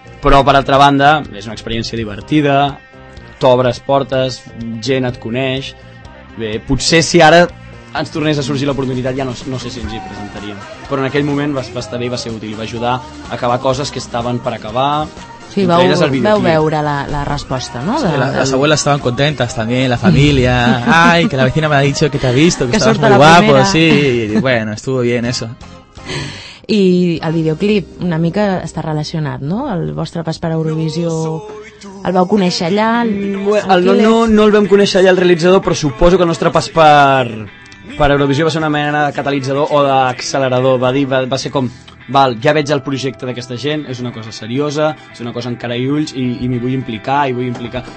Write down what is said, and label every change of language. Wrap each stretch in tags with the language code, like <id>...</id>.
<ca>Però, per altra banda, és una experiència divertida, t'obres portes, gent et coneix. Bé, potser si ara ens tornés a sorgir l'oportunitat ja no sé si ens hi presentaríem, però en aquell moment va estar bé i va ser útil, va ajudar a acabar coses que estaven per acabar. Sí, vau veure la resposta, no?</ca> <es>Sí, las abuelas estaban contentas también, la familia. Ay, que la vecina me ha dicho que te ha visto, que estabas muy guapo. Sí, bueno, estuvo bien eso.</es> <ca>I el videoclip una mica està relacionat, no? El vostre pas per Eurovisió, el vau conèixer allà? No el vam conèixer allà, el realitzador, però suposo que el nostre pas per Eurovisió va ser una mena de catalitzador o d'accelerador. Va ser com, val, ja veig el projecte d'aquesta gent, és una cosa seriosa, és una cosa amb cara i ulls i m'hi vull implicar, i vull implicar.</ca>